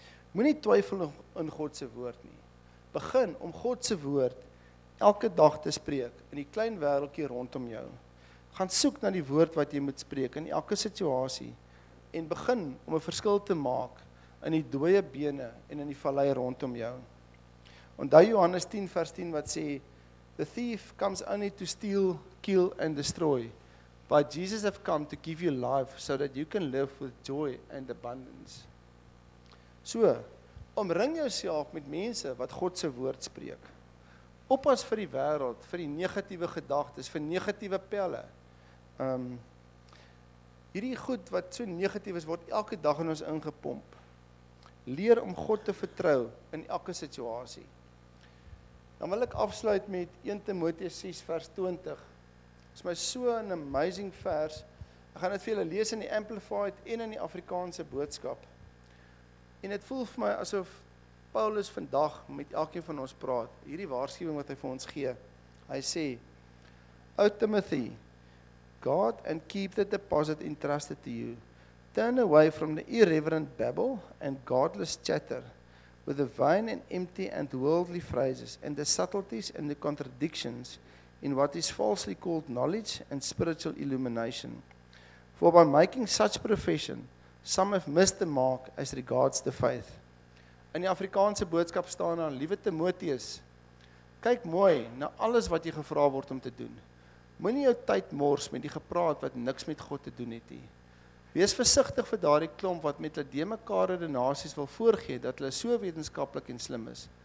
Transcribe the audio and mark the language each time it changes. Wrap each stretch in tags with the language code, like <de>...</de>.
<af>Moenie twyfel in God se woord nie. Begin om God se woord elke dag te spreek in die klein wêreldjie rondom jou. Gaan soek na die woord wat jy moet spreek in elke situasie en begin om 'n verskil te maak in die dooie bene en in die vallei rondom jou. Onthou Johannes 10 vers 10 wat sê,</af> <en>"The thief comes only to steal, kill and destroy, but Jesus have come to give you life so that you can live with joy and abundance."</en> <af>So, omring jouself met mense wat God se woord spreek. Oppas vir die wêreld, vir die negatiewe gedagtes, vir negatiewe pelle. Hierdie goed wat so negatief is, word elke dag in ons ingepomp. Leer om God te vertrou in elke situasie. Dan wil ek afsluit met 1 Timoteus 6 vers 20. Dit is my so 'n amazing vers. Ek gaan dit vir julle lees in die Amplified en in die Afrikaanse boodskap. En dit voel vir my asof Paulus vandag met elkeen van ons praat. Hierdie waarskuwing wat hy vir ons gee. Hy sê,</af> <en>O Timothy, guard and keep the deposit entrusted to you. Turn away from the irreverent babble and godless chatter with the vain and empty and worldly phrases and the subtleties and the contradictions in what is falsely called knowledge and spiritual illumination. For by making such profession, some have missed the mark as regards the faith.</en> <af>In die Afrikaanse boodskap staan daar, liewe Timoteus, kyk mooi na alles wat jy gevra word om te doen. Moenie jou tyd mors met die gepraat wat niks met God te doen het nie. Wees versigtig vir daardie klomp wat met hulle deemekaar redenasies wil voorgee dat hulle so wetenskaplik en slim is.</af>